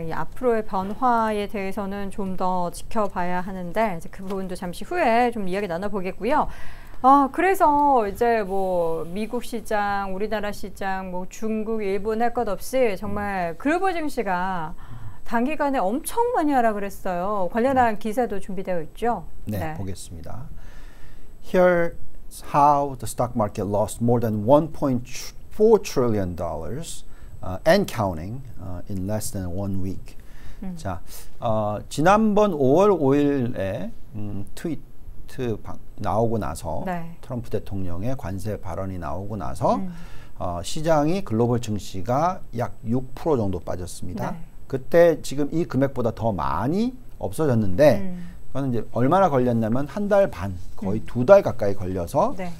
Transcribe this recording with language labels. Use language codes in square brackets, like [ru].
[ko] 이 앞으로의 변화에 대해서는 좀 더 지켜봐야 하는데 이제 그 부분도 잠시 후에 좀 이야기 나눠보겠고요. 그래서 이제 뭐 미국 시장, 우리나라 시장, 뭐 중국, 일본 할 것 없이 정말 글로벌 증시가 단기간에 엄청 많이 하락을 했어요. 관련한 기사도 준비되어 있죠. 네, 네. 보겠습니다. [en] Here's how the stock market lost more than $1.4 trillion and counting in less than one week. [ko] 자, 지난번 5월 5일에 트윗 나오고 나서 네. 트럼프 대통령의 관세 발언이 나오고 나서 시장이 글로벌 증시가 약 6% 정도 빠졌습니다. 네. 그때 지금 이 금액보다 더 많이 없어졌는데 그거는 이제 얼마나 걸렸냐면 한 달 반 거의 두 달 가까이 걸려서 네.